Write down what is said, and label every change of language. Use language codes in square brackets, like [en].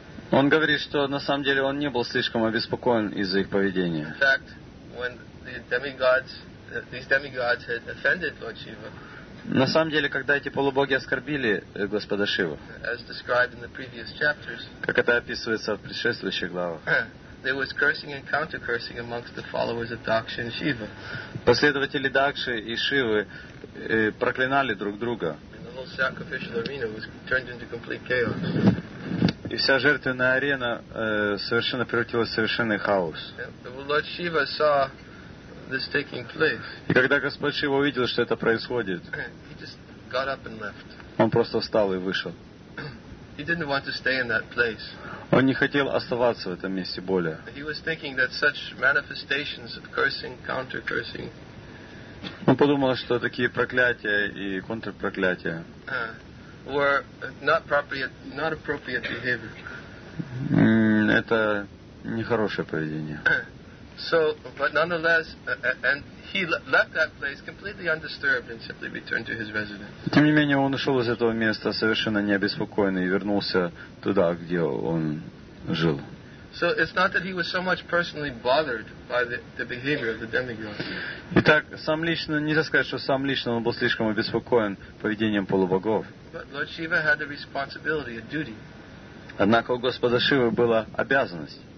[ru] Он говорит, что на самом деле он не был слишком обеспокоен из-за их поведения. [en] In fact, when these demigods had offended Lord Shiva. [ru] На самом деле, когда эти полубоги оскорбили Господа Шиву, [en] as described in the previous chapters, [ru] как это описывается в предшествующих главах, [en] there was cursing and counter-cursing amongst the followers of Daksha and Shiva. [ru] Последователи Дакши и Шивы проклинали друг друга. [en] And the whole sacrificial arena was turned into complete chaos. [ru] И вся жертвенная арена совершенно превратилась в совершенный хаос. [en] Lord Shiva saw this taking place. [ru] И когда Господь Шива увидел, что это происходит, [en] he just got up and left. [ru] Он просто встал и вышел. [en] He didn't want to stay in that place. [ru] Он не хотел оставаться в этом месте более. [en] He was thinking that such manifestations of cursing, counter-cursing. [ru] Он подумал, что такие проклятия и контрпроклятия [en] were not appropriate behavior. [ru] Это нехорошее поведение. [en] So, but nonetheless, and he left that place completely undisturbed and simply returned to his residence. [ru] Тем не менее, он ушел из этого места совершенно не обеспокоенный и вернулся туда, где он жил. [en] So it's not that he was so much personally bothered by the behavior of the demigods. [ru] Итак, сам лично нельзя сказать, что сам лично он был слишком обеспокоен поведением полубогов. [en] But Lord Shiva had a responsibility, a duty. [ru] Однако у Господа Шивы была обязанность.